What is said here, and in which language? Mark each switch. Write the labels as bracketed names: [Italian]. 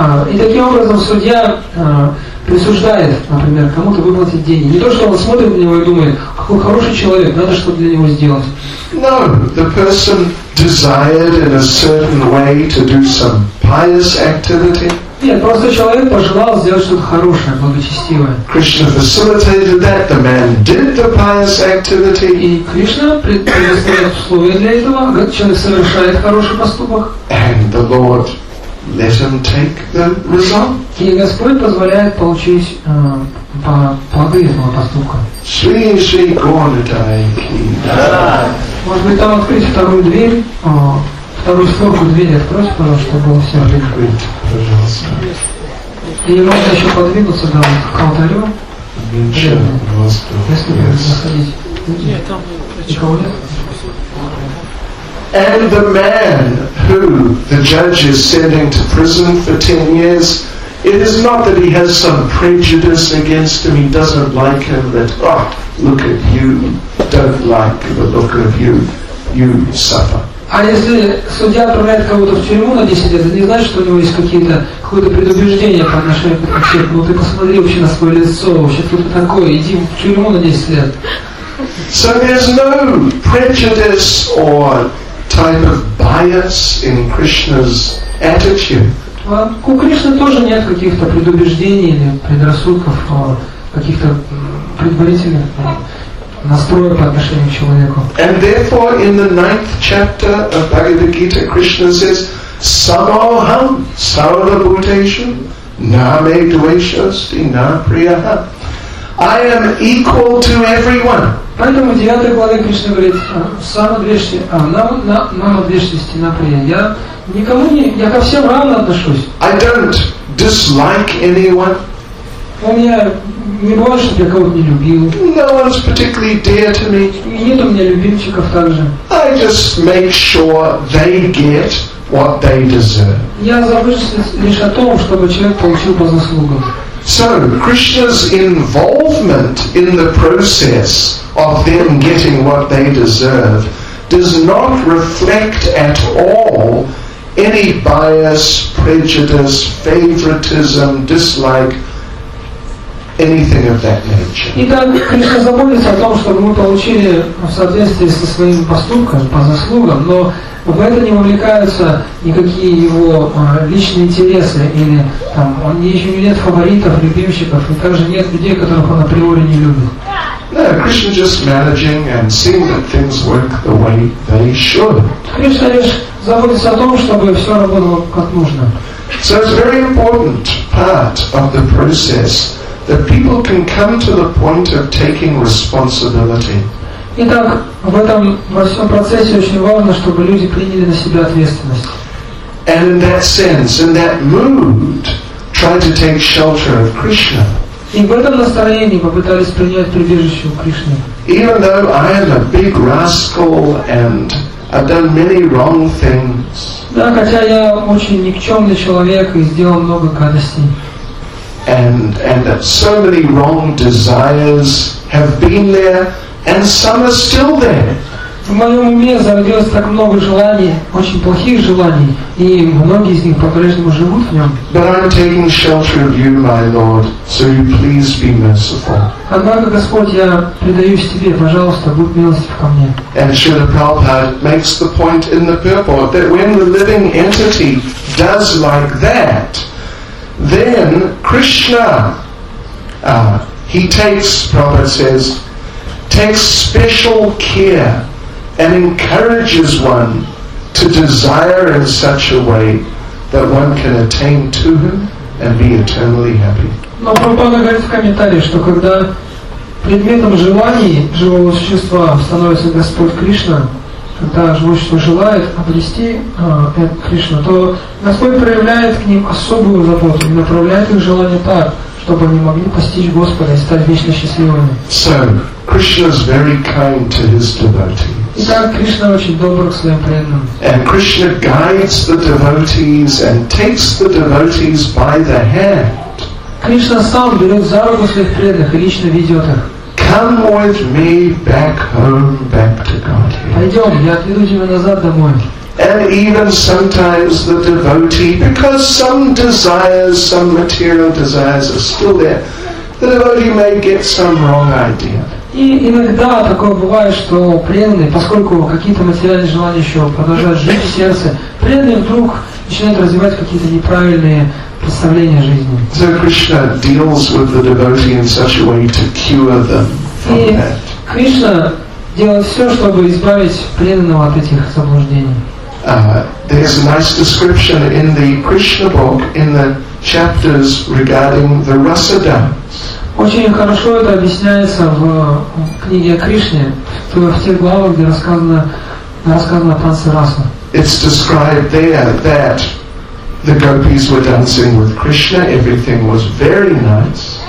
[Russian] И таким образом судья присуждает, например, кому-то выплатить деньги. Не то, что он смотрит на него и думает, какой хороший человек, надо что-то для него сделать. [English] No, the person desired in a certain way to do some pious activity. [Russian] Нет, просто человек пожелал сделать что-то хорошее, благочестивое. [English] Krishna facilitated that, the man did the pious activity. [Russian] И Кришна предоставил условия для этого, когда человек совершает хороший поступок. [English] And the Lord let him take the result. [Russian] И Господь позволяет получить плоды этого поступка. Shri Shri Gornadaiki. Может быть, там открыть вторую дверь? Вторую створку двери откройте, пожалуйста, чтобы было все открыто. Пожалуйста. И не можно еще подвинуться, да, к алтарю. Ничего, пожалуйста. Если вы будете заходить. Нет, там никого нет. [English] And the man who the judge is sending to prison for 10 years, it is not that he has some prejudice against him, he doesn't like him, that, oh, look at you, don't like the look of you, you suffer. [Russian] А если судья отправляет кого-то в тюрьму на 10 лет, это не значит, что у него есть какое-то предубеждение по отношению к человеку. Ну ты посмотри вообще на свое лицо, вообще кто-то такой, иди в тюрьму на 10 лет. [English] So there's no prejudice or type of bias in Krishna's attitude. [Russian] У Кришны тоже нет каких-то предубеждений или предрассудков, каких-то предварительных настроя по отношению к человеку. [English] And therefore, in the ninth chapter of Bhagavad Gita, Krishna says, [Sanskrit] Samoham Sarvabhuteshu Name Dveshasti Na Priyaha. [English] I am equal to everyone. [Russian] Поэтому в 9 главе Кришна говорит, [Sanskrit] Намадвешти На Прия. [Russian] Я никому не. Я ко всем равно отношусь. [English] I don't dislike anyone. [Russian] У меня не бывает, чтобы я кого-то не любил. [English] No one's particularly dear to me. [Russian] И нет у меня любимчиков также. [English] I just make sure they get what they deserve. [Russian] Я забочусь лишь о том, чтобы человек получил по заслугам. [English] So Krishna's involvement in the process of them getting what they deserve does not reflect at all any bias, prejudice, favoritism, dislike. Anything of that nature. [Russian] Итак, Кришна заботится о том, чтобы мы получили в соответствии со своим поступком по заслугам, но в это не вовлекаются никакие его личные интересы или там он еще не имеет фаворитов, любимщиков, и также нет людей, которых он априори не любит. [English] No, Krishna just managing and seeing that things work the way they should. [Russian] Кришна лишь заботиться о том, чтобы все работало как нужно. [English] So it's a very important part of the process that people can come to the point of taking responsibility. [Russian] Итак, в этом во всем процессе очень важно, чтобы люди приняли на себя ответственность. [English] And in that sense, in that mood, try to take shelter of Krishna. [Russian] И в этом настроении попытались принять прибежище у Кришны. [English] Even though I am a big rascal and I've done many wrong things. [Russian] Да, хотя я очень никчемный человек и сделал много гадостей. [English] And that so many wrong desires have been there, and some are still there. [Russian] В моем уме зародилось так много желаний, очень плохих желаний, и многие из них по-прежнему живут в нем. [English] But I'm taking shelter of you, my Lord, so you please be merciful. [Russian] Однако, Господь, я предаюсь тебе, пожалуйста, будь милостив ко мне. [English] And Srila Prabhupada makes the point in the purport that when the living entity does like that, then Krishna, Prabhupada says, takes special care and encourages one to desire in such a way that one can attain to him and be eternally happy. [Russian] Но Прабхупада говорит в комментарии, что когда предметом желаний живого существа становится Господь Кришна, когда живое существо желает обрести Кришну, то Господь проявляет к ним особую заботу и направляет их желания так, чтобы они могли постичь Господа и стать вечно счастливыми. [English] So, Krishna is very kind to his devotees. [Russian] Итак, Кришна очень добр к своим преданным. [English] And Krishna guides the devotees and takes the devotees by the hand. [Russian] Кришна сам берет за руку своих преданных и лично ведет их. [English] Come with me back home, back to Godhead. [Russian] Пойдем, я отведу тебя назад домой. [English] And even sometimes the devotee, because some desires, some material desires are still there, the devotee may get some wrong idea. [Russian] И иногда такое бывает, что преданный, поскольку какие-то материальные желания еще продолжают жить в сердце, преданный вдруг начинает развивать какие-то неправильные представления о жизни. [English] So Krishna deals with the devotee in such a way to cure them from that. [Russian] И Кришна делает все, чтобы избавить преданного от этих заблуждений. [English] There's a nice description in the Krishna book in the chapters regarding the rasa dance. [Russian] Очень хорошо это объясняется в книге о Кришне, то в тех главах, где рассказано о танце расы. [English] It's described there that the gopis were dancing with Krishna. Everything was very nice.